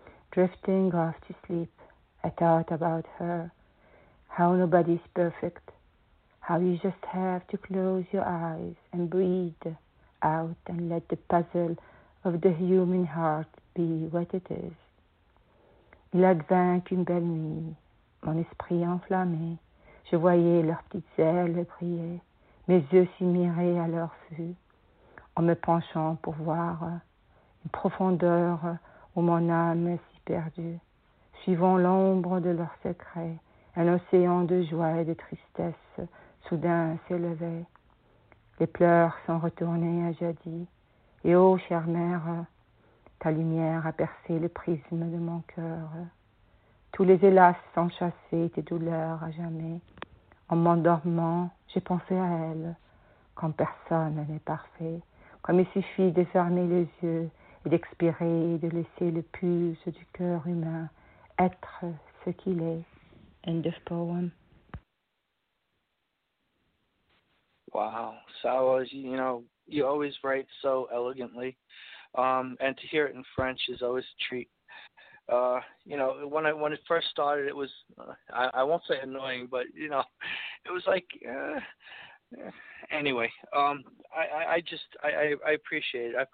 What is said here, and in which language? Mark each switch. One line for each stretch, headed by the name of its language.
English: Drifting off to sleep, I thought about her, how nobody's perfect, how you just have to close your eyes and breathe out and let the puzzle of the human heart be what it is.
French: Il advint qu'une belle nuit, mon esprit enflammé, je voyais leurs petites ailes briller, mes yeux s'immiraient à leur vue, en me penchant pour voir une profondeur où mon âme s'y perdue, suivant l'ombre de leurs secrets, un océan de joie et de tristesse. Soudain s'élevait, les pleurs sont retournés à jadis, et ô chère mère, ta lumière a percé le prisme de mon cœur. Tous les hélas sont chassés, tes douleurs à jamais. En m'endormant, j'ai pensé à elle, quand personne n'est parfait, comme il suffit de fermer les yeux et d'expirer et de laisser le pulse du cœur humain être ce qu'il est.
English: End of poem. Wow, Sawa, you know, you always write so elegantly, and to hear it in French is always a treat. You know, when it first started, it was, I won't say annoying, but, you know, it was like, anyway, I appreciate it.